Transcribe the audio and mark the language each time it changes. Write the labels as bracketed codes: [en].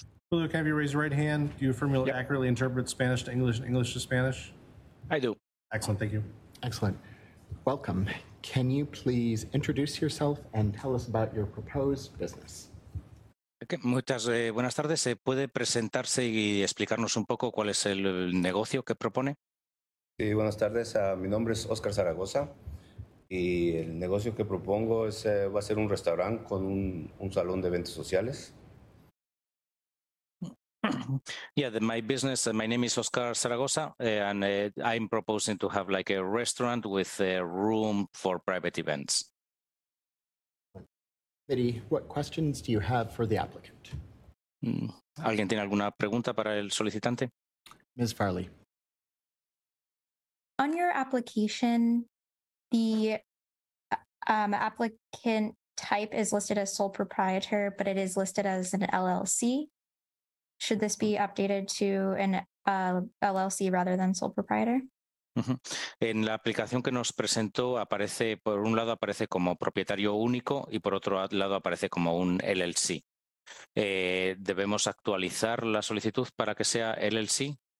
[en] Julio, can you raise your right hand? Do you affirm you'll accurately interpret Spanish to English and English to Spanish? I do. Excellent, thank you. Excellent. Welcome. Can you please introduce yourself and tell us about your proposed business? Okay. [es] Muchas buenas tardes. ¿Se puede presentarse y explicarnos un poco cuál es el negocio que propone? Sí, buenas tardes. Mi nombre es Oscar Zaragoza y el negocio que propongo es va a ser un restaurante con un salón de eventos sociales. [en] Yeah, my name is Oscar Zaragoza, and I'm proposing to have like a restaurant with a room for private events. Eddie, what questions do you have for the applicant? [es] ¿Alguien tiene alguna pregunta para el solicitante? [en] Ms. Farley. On your application, the applicant type is listed as sole proprietor, but it is listed as an LLC. Should this be updated to an LLC rather than sole proprietor? [es] En la aplicación que nos presentó aparece, por un lado aparece como propietario único y por otro lado aparece como un LLC. ¿Debemos actualizar la solicitud para que sea LLC?